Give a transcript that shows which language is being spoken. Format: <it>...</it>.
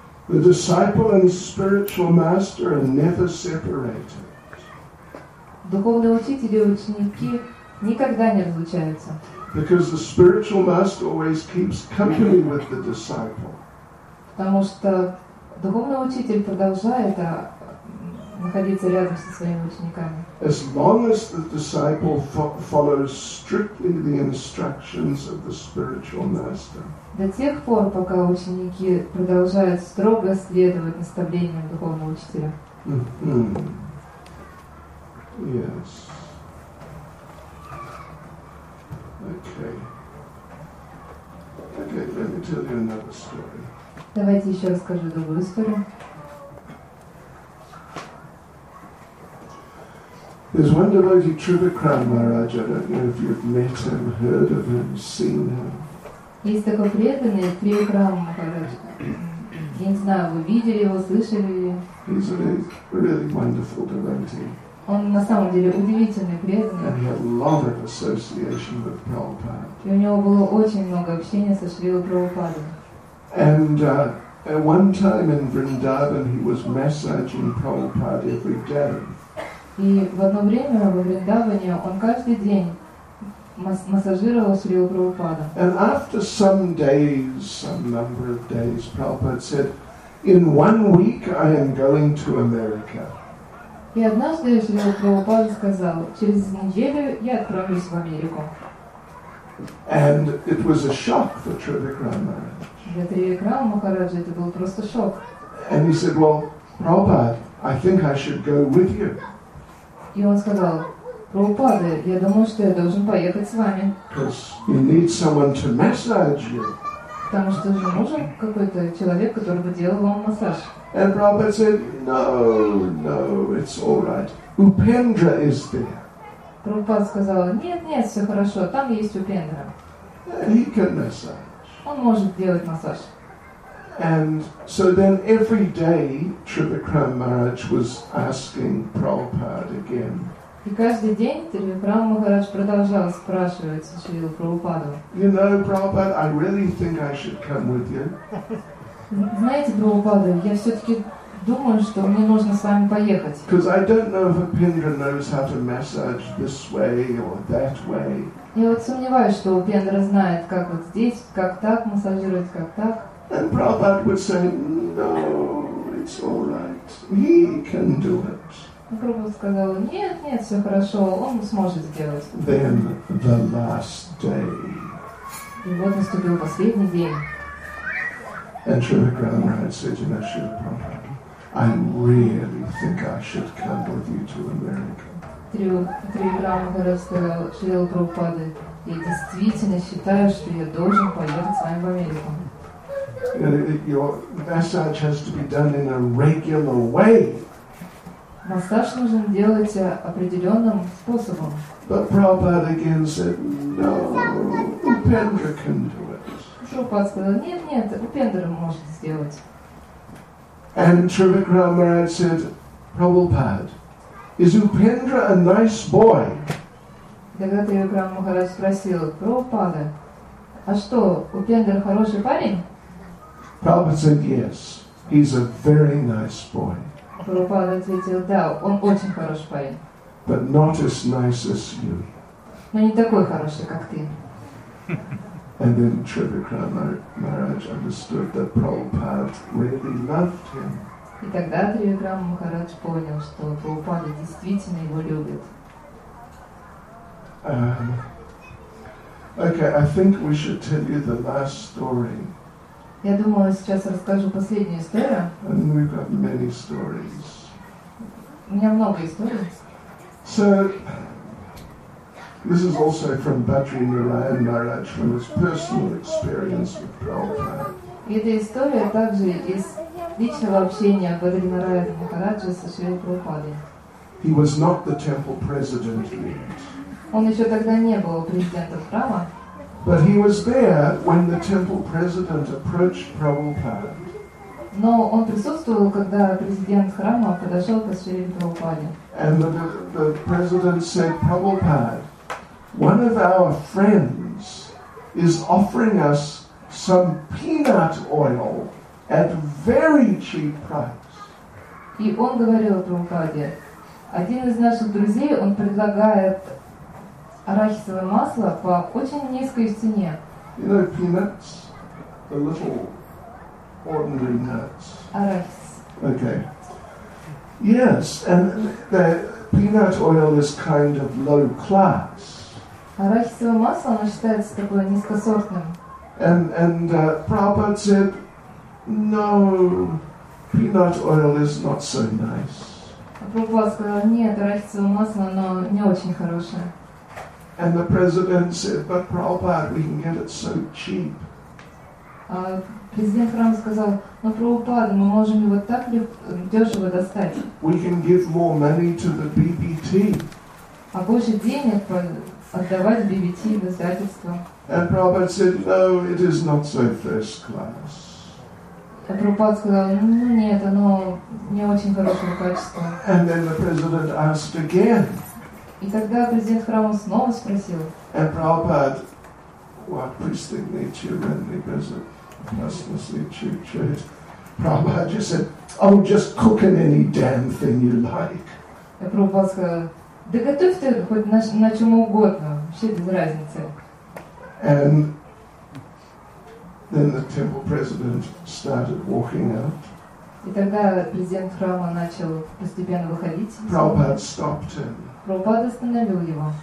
<en>The disciple and spiritual master are never separated.</en> <ru>Духовные учители и ученики никогда не разлучаются.</ru> <en>Because the spiritual master always keeps company with the disciple.</en> <ru>Потому что духовный учитель продолжает находиться рядом со своими учениками.</ru> <en>As long as the disciple follows strictly the instructions of the spiritual master.</en> <ru>До тех пор, пока ученики продолжают строго следовать наставлениям духовного учителя.</ru> <en>Mm-hmm. Yes. Okay. Okay, let me tell you another story.</en> <ru>Давайте еще расскажу другую историю.</ru> <en>There's one devotee, Trivikram Maharaj, I don't know if you've met him, heard of him, seen him.</en> <ru>Есть такой преданный, Тривикрам Махарадж. Я не знаю, вы видели его, слышали ли?</ru> <en>He's a really wonderful devotee.</en> <ru>Он на самом деле удивительный преданный.</ru> <en>And he had a lot of association with Prabhupada.</en> <ru>И у него было очень много общения со Шрилой Прабхупадой.</ru> <en>And at one time in Vrindavan, he was massaging Prabhupada every day.</en> <ru>И в одно время во Вриндаване он каждый день массажировал Шрилу Прабхупаду.</ru> <en>And after some days, some number of days, Prabhupada said, "In one week I am going to America."</en> <ru>И однажды Шрилу Прабхупаду сказал, "Через неделю я отправлюсь в Америку."</ru> <en>And it was a shock for Trivikram Maharaj.</en> <ru>Для Тривикрама Махараджа это был просто шок.</ru> <en>And he said, "Well, Prabhupada, I think I should go with you."</en> <ru>И он сказал, Прабхупада, я думаю, что я должен поехать с вами.</ru> <en>You need someone to massage you.</en> <ru>Потому что же нужен какой-то человек, который бы делал вам массаж.</ru> <en>And Prabhupada said, no, it's all right. Upendra is there.</en> <ru>Прабхупада сказал, нет, все хорошо, там есть Упендра.</ru> <en>He can massage.</en> <ru>Он может делать массаж.</ru> <en>And so then every day Trivikram Maharaj was asking Prabhupada again.</en> <ru>И каждый день Тривикрам Махарадж продолжал спрашивать Шрилу Прабхупаду.</ru> <en>You know, Prabhupada, I really think I should come with you.</en> <ru>Знаете, Прабхупада, я все-таки думаю, что мне нужно с вами поехать.</ru> <en>Because I don't know if Upendra knows how to massage this way or that way.</en> <ru>Я вот сомневаюсь, что Упендра знает, как вот здесь, как так массажировать, как так.</ru> <en>And Prabhupada would say, no, it's all right. He can do it.</en> <ru>Прабхупада сказал, нет, все хорошо, он сможет сделать.</ru> <en>Then the last day.</en> <ru>И вот наступил последний день.</ru> <en>And Trivikram Maharaj said, you know, Srila Prabhupada, I really think I should come with you to America.</en> <ru>Тривикрам Махарадж сказал, Шрила Прабхупада, я действительно считаю, что я должен поехать с вами в Америку.</ru> <en>Your massage has to be done in a regular way.</en> <ru>Массаж нужно делать определенным способом.</ru> <en>But Prabhupada again said, no, Upendra can do it.</en> <ru>Прабхупада сказал, нет, Упендра может сделать.</ru> <en>And Trivikram Maharaj said, Prabhupada, is Upendra a nice boy?</en> <ru>Тогда Тривикрам Махарадж спросил, Прабхупада, а что, Упендра хороший парень?</ru> <en>Prabhupada said, yes, he's a very nice boy.</en> <ru>Прабхупада ответил, да, он очень хороший парень.</ru> <en>But not as nice as you.</en> <ru>Но не такой хороший, как ты.</ru> <en>And then Trivikram Maharaj understood that Prabhupada really loved him.</en> <ru>И тогда Тривикрам Махарадж понял, что Прабхупада действительно его любит.</ru> <en>Okay, I think we should tell you the last story.</en> <ru>Я думала, сейчас расскажу последнюю историю.</ru> <en>And we've got many stories.</en> <ru>У меня много историй.</ru> <en>So, this is also from Bhatri Narayan Maharaj, from his personal experience with Prabhupada.</en> <ru>Эта история также из личного общения Бхатри Нараяна Махараджа со Шрилой Прабхупадой.</ru> <en>He was not the temple president yet.</en> <ru>Он еще тогда не был президентом храма.</ru> <en>But he was there when the temple president approached Prabhupada.</en> <ru>Но он присутствовал, когда президент храма подошел к Шриле Прабхупаде.</ru> <en>And the president said, Prabhupada, one of our friends is offering us some peanut oil at very cheap price.</en> <ru>И он говорил Прабхупаде, один из наших друзей, он предлагает арахисовое масло по очень низкой цене.</ru> <en>You know, peanuts, the little ordinary nuts.</en> <ru>Арахис.</ru> <en>Okay. Yes, and the peanut oil is kind of low class.</en> <ru>Арахисовое масло, оно считается такое низкосортным.</ru> <en>And Prabhupada said, no, peanut oil is not so nice.</en> <ru>Прабхупада сказал, нет, арахисовое масло, оно не очень хорошее.</ru> <en>And the president said, but Prabhupada, we can get it so cheap.</en> <ru>Президент храма сказал, но Прабхупада, мы можем его так дешево достать.</ru> <en>We can give more money to the BBT.</en> <ru>А больше денег отдавать BBT в издательство.</ru> <en>And Prabhupada said, no, it is not so first class.</en> <ru>А Прабхупада сказал, ну нет, оно не очень хорошего качества.</ru> <en>And then the president asked again.</en> <ru>И тогда президент храма снова спросил.</ru> <en>And Prabhupada, what priestly nature when the president mercilessly chewed. Prabhupada just said, oh, just cook in any damn thing you like.</en> <ru>А Прабхупада сказал, да готовь ты хоть на чем угодно, вообще без разницы.</ru> <en>And then the temple president started walking out.</en> <ru>И тогда президент храма начал постепенно выходить.</ru> <en>Prabhupada stopped him.</en> <ru>Прабхупада остановил его.</ru>